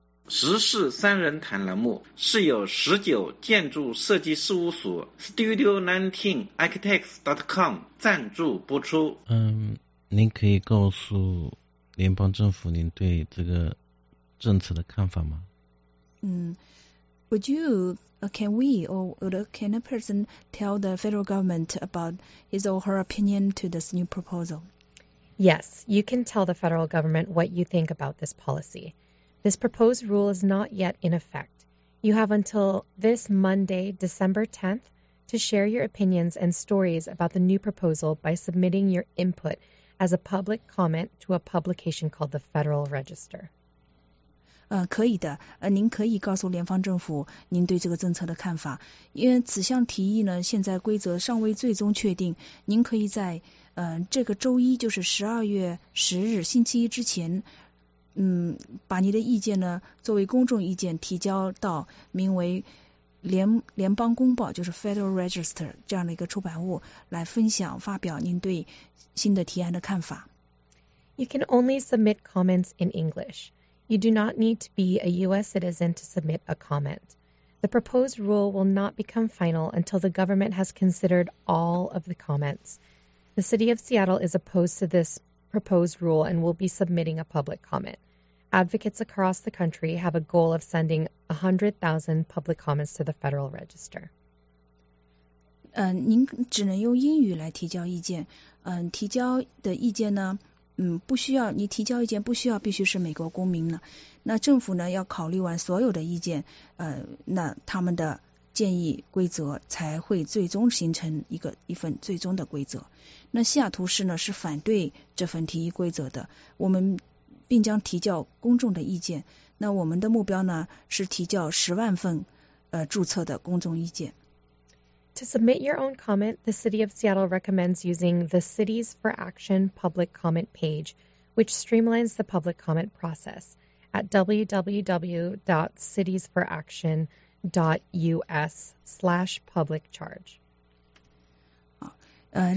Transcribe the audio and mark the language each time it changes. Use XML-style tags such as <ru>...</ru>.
<zh>时事三人谈栏目是由19建筑设计事务所 Studio19Architects.com 赞助播出。您可以告诉联邦政府您对这个政策的看法吗？</zh> <en>Would you, can we or can a person tell the federal government about his or her opinion to this new proposal? Yes, you can tell the federal government what you think about this policy. This proposed rule is not yet in effect. You have until this Monday, December 10th, to share your opinions and stories about the new proposal by submitting your input as a public comment to a publication called the Federal Register.</en> <zh>可以的，您可以告诉联邦政府您对这个政策的看法，因为此项提议呢，现在规则尚未最终确定，您可以在这个周一，就是12月10日星期一之前把你的意见呢作为公众意见提交到名为联邦公报，就是 Federal Register 这样的一个出版物，来分享发表您对新的提案的看法。</zh> <en>You can only submit comments in English. You do not need to be a U.S. citizen to submit a comment. The proposed rule will not become final until the government has considered all of the comments. The city of Seattle is opposed to this proposed rule and will be submitting a public comment. Advocates across the country have a goal of sending 100,000 public comments to the Federal Register.</en> <zh>您只能用英语来提交意见。提交的意见呢，不需要，你提交意见不需要必须是美国公民呢。那政府呢，要考虑完所有的意见，那他们的建议规则才会最终形成一份最终的规则。那西雅图市呢，是反对这份提议规则的。我们并将提交公众的意见。那我们的目标呢，是提交10万份注册的公众意见。</zh> <en>To submit your own comment, the City of Seattle recommends using the Cities for Action public comment page, which streamlines the public comment process at www.citiesforaction.us/public-charge.</en>